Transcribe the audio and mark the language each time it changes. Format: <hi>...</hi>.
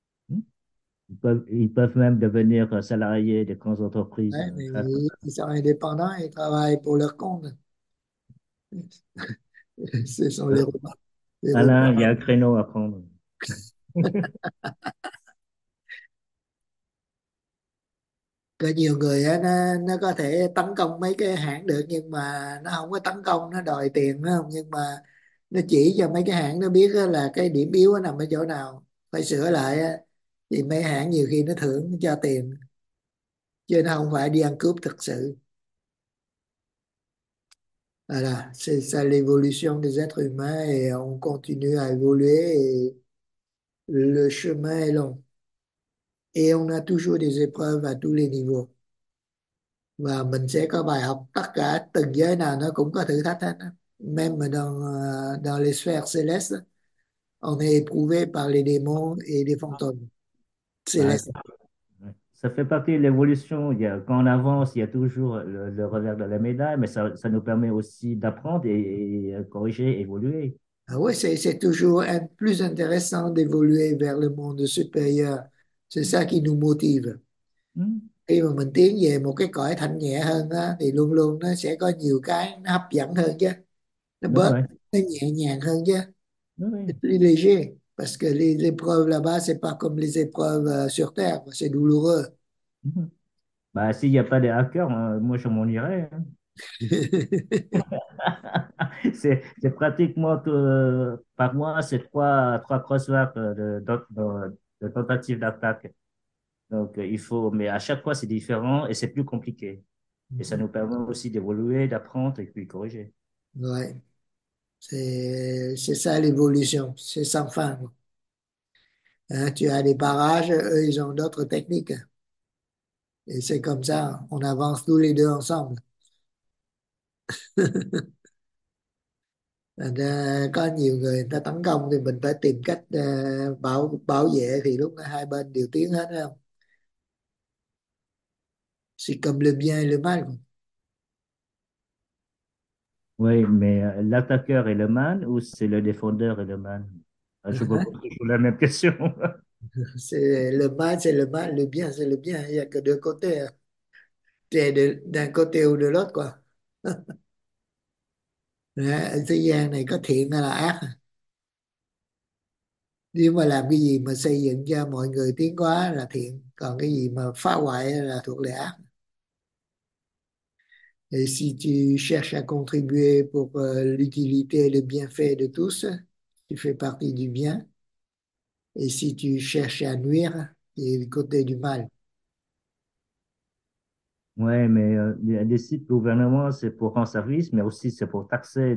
<fr>Ils peuvent même devenir salariés des grandes Ouais, entreprises. mais ils sont indépendants, ils travaillent pour leur compte. Ce sont les Alain, Robins. il y a un créneau à prendre.</fr> <vi>Có nhiều người á, nó có thể tấn công mấy cái hãng được nhưng mà nó không có tấn công, nó đòi tiền không, nhưng mà nó chỉ cho mấy cái hãng nó biết á, là cái điểm yếu nó nằm ở chỗ nào phải sửa lại á, thì mấy hãng nhiều khi nó thưởng nó cho tiền chứ nó không phải đi ăn cướp thực sự.</vi> <fr>Voilà, c'est ça l'évolution des êtres humains et on continue à évoluer et le chemin est long. Et on a toujours des épreuves à tous les niveaux.</fr> <vi>Và mình sẽ có bài học tất cả từng giới nào nó cũng có thử thách hết.</vi> <fr>Même dans les sphères célestes, on est éprouvé par les démons et les fantômes Ah, célestes. ça fait partie de l'évolution. Quand on avance, il y a toujours le revers de la médaille, mais ça nous permet aussi d'apprendre et corriger, évoluer. Ah oui, c'est toujours plus intéressant d'évoluer vers le monde supérieur. C'est ça qui nous motive.</fr> <vi>Khi mà mình tiến về một cái cõi thanh nhẹ hơn á, thì luôn luôn nó sẽ có nhiều cái nó hấp dẫn hơn chứ. Nó Đúng bớt, rồi. nó nhẹ nhàng hơn chứ. Đúng rồi.</vi> <fr>C'est plus léger. Parce que les épreuves là-bas, c'est pas comme les épreuves sur Terre. C'est douloureux. Bah, s'il n'y a pas des hackers, moi je m'en irais. Hein. C'est pratiquement tout, par mois, c'est trois crosswalks de tentatives d'attaque. Donc il faut, mais à chaque fois c'est différent et c'est plus compliqué. Et ça nous permet aussi d'évoluer, d'apprendre et puis corriger. Ouais. C'est ça l'évolution, c'est sans fin. Hein, tu as des barrages, eux ils ont d'autres techniques. Et c'est comme ça, on avance tous les deux ensemble.</fr> <vi>Có nhiều người ta tấn công thì mình phải tìm cách bảo bảo vệ, thì lúc đó hai bên đều tiến hết, thấy không?</vi> <fr>C'est comme le bien et le mal. Oui, mais l'attaqueur est le man ou c'est le défendeur est le man? Ah, je vous pose toujours la même question. C'est le mal, c'est le mal, le bien, c'est le bien. Il n'y a que deux côtés. T'es d'un côté ou de l'autre, quoi.</fr> <vi>Ở thế gian này có thiện hay là ác, nếu mà làm cái gì mà xây dựng cho mọi người tiến hóa là thiện, còn cái gì mà phá hoại là thuộc về ác.</vi> <fr>Et si tu cherches à contribuer pour l'utilité et le bienfait de tous, tu fais partie du bien. Et si tu cherches à nuire, tu es du côté du mal. Oui, mais les sites gouvernement, c'est pour rendre service, mais aussi c'est pour taxer.</fr>